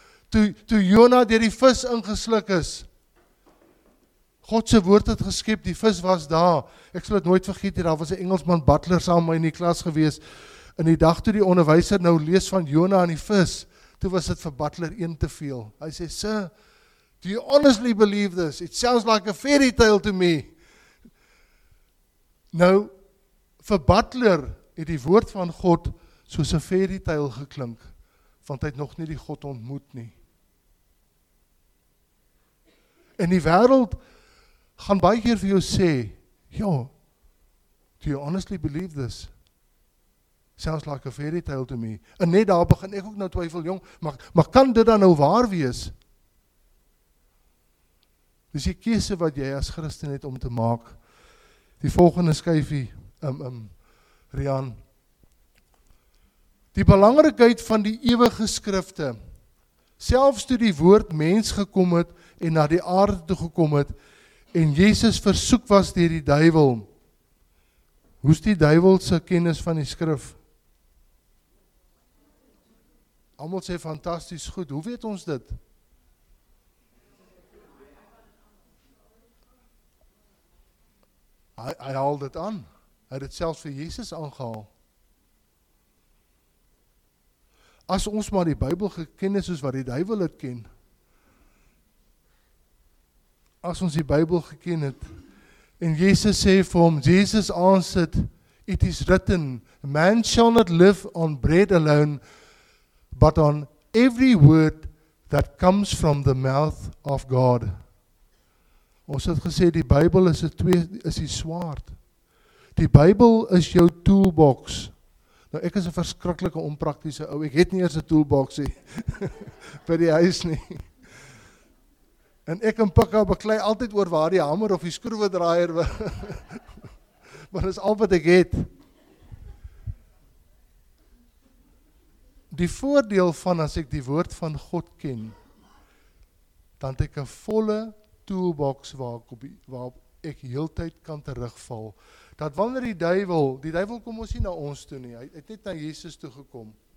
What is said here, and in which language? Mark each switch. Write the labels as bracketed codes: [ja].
[af] Toe Jonah deur die vis ingesluk is, God se woord het geskep, die vis was daar. Ek sal het nooit vergeet, daar was 'n Engelsman Butler saam met my in die klas gewees, en die dag toe die onderwyser nou lees van Jonah en die vis, toe was dit vir Butler een te veel. Hy sê, [en] sir, do you honestly believe this? It sounds like a fairy tale to me. [af] Nou, vir Butler het die woord van God soos 'n fairy tale geklink, want hy het nog nie die God ontmoet nie. En die wêreld gaan baie keer vir jou sê, ja, [en] do you honestly believe this? Sounds like a fairy tale to me. [af] En net daar begin ek ook nou twyfel, jong, maar kan dit dan nou waar wees? Dis die keuse wat jy as Christen het om te maak. Die volgende skyfie, Rian. Die belangrikheid van die ewige skrifte, selfs toe die woord mens gekom het en na die aarde toe gekom het en Jesus versoek was deur die duivel, hoe's die duivelse kennis van die skrif? Almal sê fantasties goed, hoe weet ons dit? Hy haal dit aan. Hy het selfs vir Jesus aangehaal. As ons maar die Bybel geken is soos wat die duivel het ken. As ons die Bybel geken het en Jesus sê vir hom, [en] Jesus answered, it is written, man shall not live on bread alone, but on every word that comes from the mouth of God. [af] Ons het gesê, die Bybel is die swaard. Die Bybel is jou toolbox. Nou, ek is een verskriklike onpraktiese ou. Ek het nie eers een toolbox nie. By die huis nie. En ek en Pikka beklei altyd oor waar die hamer of die skroewedraaier. Maar dis al wat ek het. Die voordeel van as ek die woord van God ken, dan het ek een volle toolbox waarop ek heel tyd kan terugval, dat wanneer die duivel kom ons nie na ons toe nie, hy het net na Jesus toe gekom,